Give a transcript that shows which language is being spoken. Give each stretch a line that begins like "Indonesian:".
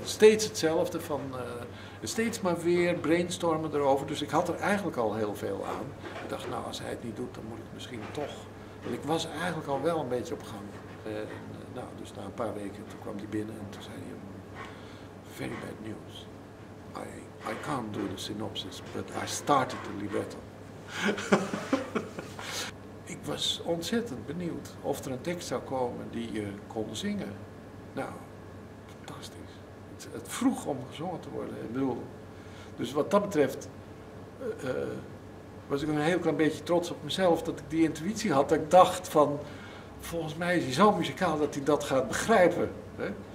Dutch: Steeds hetzelfde van, steeds maar weer brainstormen erover. Dus ik had er eigenlijk al heel veel aan. Ik dacht, nou, als hij het niet doet, dan moet ik misschien toch. En ik was eigenlijk al wel een beetje op gang. Dus na een paar weken, toen kwam hij binnen en toen zei hij,
English: very bad news. I can't do the synopsis, but I started the libretto.
Dutch: Ik was ontzettend benieuwd of er een tekst zou komen die je kon zingen. Nou, fantastisch. Het vroeg om gezongen te worden. Ik bedoel, dus wat dat betreft was ik een heel klein beetje trots op mezelf dat ik die intuïtie had. Dat ik dacht van, volgens mij is hij zo muzikaal dat hij dat gaat begrijpen. Hè?